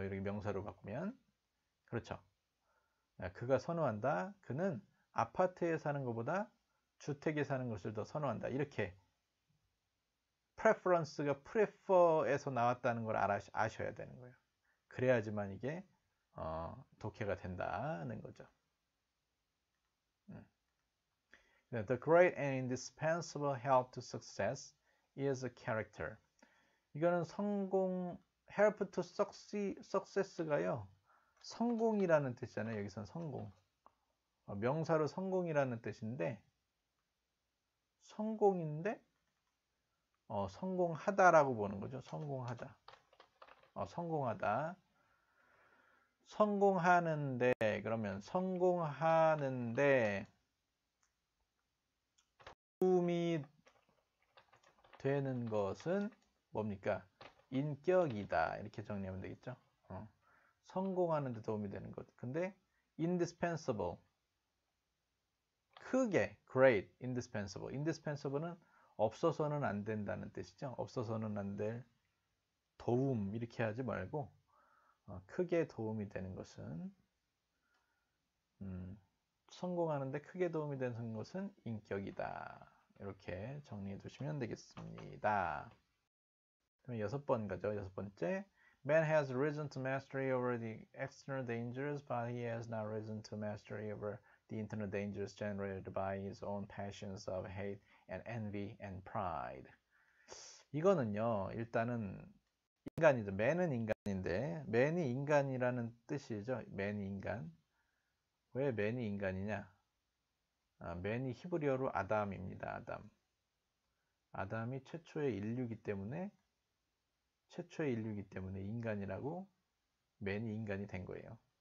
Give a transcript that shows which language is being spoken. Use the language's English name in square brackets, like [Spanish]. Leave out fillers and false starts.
[Korean] 이렇게 명사로 바꾸면. 그렇죠. 그가 선호한다. 그는 아파트에 사는 것보다 주택에 사는 것을 더 선호한다. 이렇게 preference가 prefer에서 나왔다는 걸 아셔야 되는 거예요. 그래야지만 이게 독해가 된다는 거죠. [English] The great and indispensable help to success is a character. [Korean] 이거는 성공, help to success가요. 성공이라는 뜻이잖아요. 여기서는 성공. 명사로 성공이라는 뜻인데, 성공인데, 성공하다라고 보는 거죠. 성공하다. 성공하다. 성공하는데, 그러면 성공하는데, 도움이 되는 것은 뭡니까? 인격이다. 이렇게 정리하면 되겠죠. 성공하는 데 도움이 되는 것. 근데 indispensable, 크게, great, indispensable. indispensable는 없어서는 안 된다는 뜻이죠. 없어서는 안될 도움, 이렇게 하지 말고 크게 도움이 되는 것은 성공하는 데 크게 도움이 되는 것은 인격이다. 이렇게 정리해 두시면 되겠습니다. 그럼 여섯 번 가죠. 여섯 번째. [English] Man has risen to mastery over the external dangers, but he has not risen to mastery over the internal dangers generated by his own passions of hate and envy and pride. [Korean] 이거는요, 일단은 인간이죠. Man은 인간인데, man이 인간이라는 뜻이죠. man이 인간. 왜 man이 인간이냐? 맨이 히브리어로 아담입니다. 아담. 아담이 최초의 인류이기 때문에 인간이라고 맨이 인간이 된 거예요.